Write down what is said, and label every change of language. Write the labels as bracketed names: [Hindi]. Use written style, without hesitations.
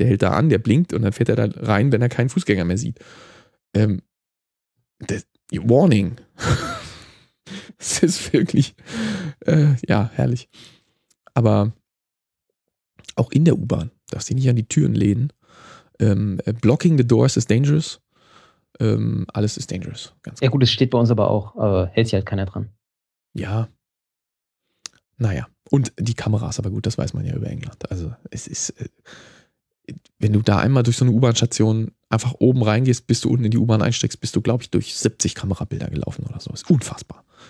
[German] Der hält da an, der blinkt und dann fährt er da rein, wenn er keinen Fußgänger mehr sieht. Warning. Das ist wirklich, ja, herrlich. Aber auch in der U-Bahn darfst du nicht an die Türen lehnen. [English] Blocking the doors is dangerous. [German] Alles ist dangerous. Ganz klar. Ja gut, es steht bei uns aber auch, aber hält sich halt keiner dran. Ja, naja, und die Kameras, aber gut, das weiß man ja über England. Also es ist, wenn du da einmal durch so eine U-Bahn-Station einfach oben reingehst, bis du unten in die U-Bahn einsteckst, bist du, glaube ich, durch 70 Kamerabilder gelaufen oder so. Ist unfassbar.